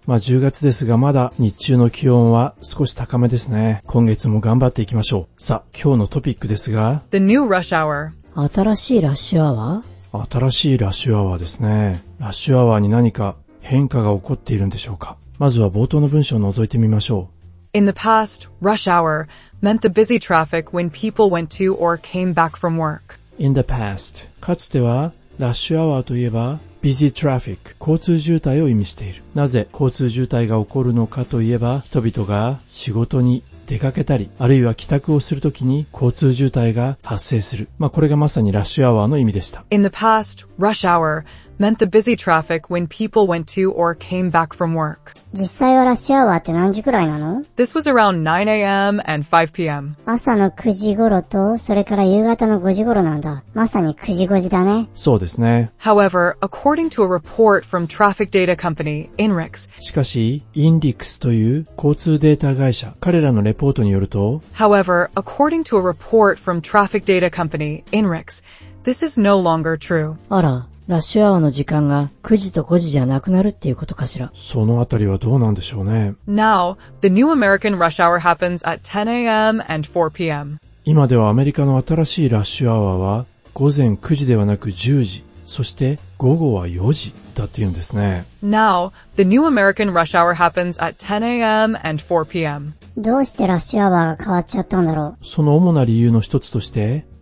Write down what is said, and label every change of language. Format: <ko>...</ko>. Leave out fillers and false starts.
<ja>まあ10月ですが、まだ日中の気温は少し高めですね。今月も頑張っていきましょう。さあ、今日のトピックですが、</ja> <en>The new rush hour。</en> <ja>新しいラッシュアワー、新しいラッシュアワーですね。ラッシュアワーに何か変化が起こっているんでしょうか。まずは冒頭の文章を覗いてみましょう。</ja> <en>In the past, rush hour meant the busy traffic when people went to or came back from work. In the past,</en> <ja>かつてはラッシュアワーといえば</ja> <en>busy traffic、</en> <ja>交通渋滞を意味している。なぜ交通渋滞が起こるのかといえば、人々が仕事に出かけたり、あるいは帰宅をするときに交通渋滞が発生する。まあこれがまさにラッシュアワーの意味でした。</ja> <en>In the past, rush hour meant the busy traffic when people went to or came back from work.</en> <ja>実際はラッシュアワーって何時くらいなの？</ja> <en>This was around 9 a.m. and 5 p.m.</en> <ja>朝の9時頃と、それから夕方の5時頃なんだ。まさに9時5時だね。そうですね。</ja> <en>However, according to a report from traffic data company, INRIX.</en> <ja>しかし、INRIX という交通データ会社、彼らのレポートによると、</ja> <en>However, according to a report from traffic data company, INRIX, this is no longer true.</en> <ja>あら、ラッシュアワーの時間が9時と5時じゃなくなるっていうことかしら。そのあたりはどうなんでしょうね。</ja> <en>Now, the new American rush hour happens at 10 a.m. and 4 p.m.</en> <ja>今ではアメリカの新しいラッシュアワーは午前9時ではなく10時、そして午後は4時だって言うんですね。</ja> <en>Now, the new American rush hour happens at 10 a.m. and 4 p.m.</en> <ja>どうしてラッシュアワーが変わっちゃったんだろう。その主な理由の一つとして、</ja>